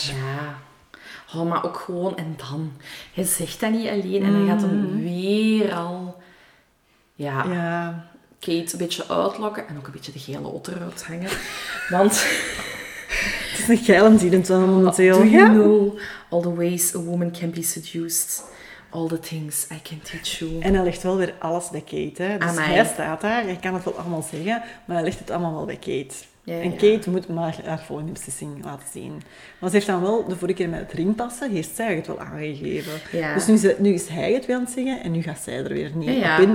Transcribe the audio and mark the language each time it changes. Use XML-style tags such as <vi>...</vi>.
<nl>Ja. Oh, maar ook gewoon, en dan. Hij zegt dat niet alleen en hij gaat hem weer al... Ja. Ja. Kate een beetje uitlokken en ook een beetje de gele otter eruit hangen. Want... Het is een geile dierentuin momenteel.</nl> <en>Do you know all the ways a woman can be seduced? All the things I can teach you.</en> <nl>En hij legt wel weer alles bij Kate. Hè? Dus hij staat daar, hij kan het wel allemaal zeggen, maar hij legt het allemaal wel bij Kate. Ja, en Kate moet maar haar volgende beslissing laten zien. Maar ze heeft dan wel de vorige keer met het ringpassen, heeft zij het wel aangegeven. Ja. Dus nu, nu is hij het weer aan het zeggen en nu gaat zij er weer niet op in.</nl>